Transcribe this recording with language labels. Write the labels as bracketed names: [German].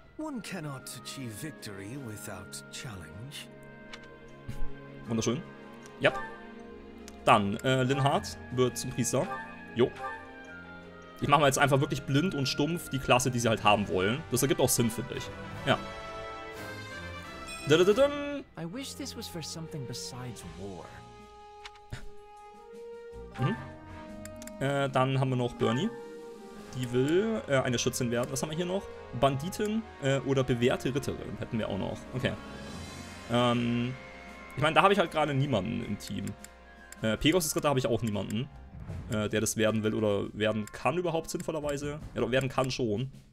[English] One cannot achieve victory without challenge. [German] Wunderschön. Ja. Yep. Dann, Linhart wird zum Priester. Jo. Ich mache mal jetzt einfach wirklich blind und stumpf die Klasse, die sie halt haben wollen. Das ergibt auch Sinn, finde ich. Ja. Da-da-da-dum. [English] I wish this was for something besides war. [German] dann haben wir noch Bernie. Die will eine Schützin werden. Was haben wir hier noch? Banditin oder bewährte Ritterin hätten wir auch noch. Okay. Ich meine, da habe ich halt gerade niemanden im Team. Pegasus Ritter habe ich auch niemanden, der das werden will oder werden kann überhaupt sinnvollerweise. Ja, doch, werden kann schon.